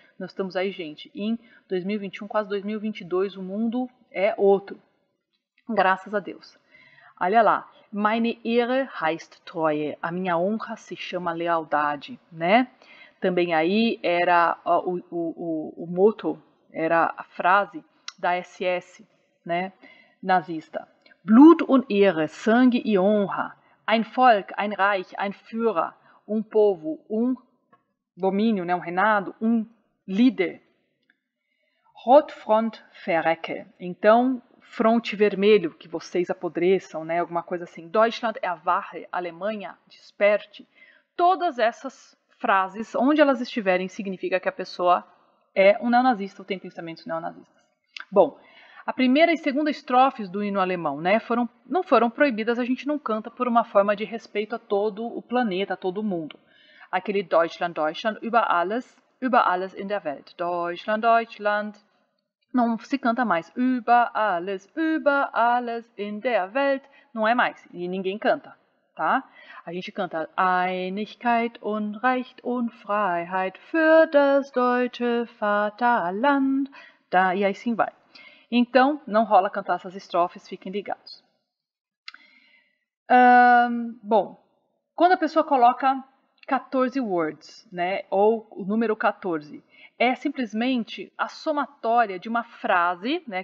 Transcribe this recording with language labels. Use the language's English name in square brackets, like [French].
[Portuguese] Nós estamos aí, gente, em 2021, quase 2022, o mundo é outro. Graças a Deus. Olha lá. [German] Meine Ehre heißt Treue. [Portuguese] A minha honra se chama lealdade, né? Também aí era o motto, era a frase da SS, né? Nazista. [German] Blut und Ehre, [Portuguese] sangue e honra. [German] Ein Volk, ein Reich, ein Führer. [Portuguese] Um povo, um domínio, né? Um reinado, um líder. [German] Rotfront verrecke. [Portuguese] Então, fronte vermelho, que vocês apodreçam, né? Alguma coisa assim. [German] Deutschland erwache, [Portuguese] Alemanha, desperte. Todas essas frases, onde elas estiverem, significa que a pessoa é um neonazista ou tem pensamentos neonazistas. Bom, a primeira e segunda estrofes do hino alemão, né, não foram proibidas, a gente não canta por uma forma de respeito a todo o planeta, a todo mundo. [German] Aquele Deutschland, Deutschland, über alles in der Welt. Deutschland, Deutschland. [Portuguese] Não se canta mais. [German] Über alles in der Welt. [Portuguese] Não é mais. E ninguém canta. Tá? A gente canta [German] Einigkeit und Recht und Freiheit für das deutsche Vaterland. [Portuguese] Tá? E aí sim vai. Então, não rola cantar essas estrofes, fiquem ligados. Bom, quando a pessoa coloca [English] 14 words, [Portuguese] né? Ou o número 14, é simplesmente a somatória de uma frase, né?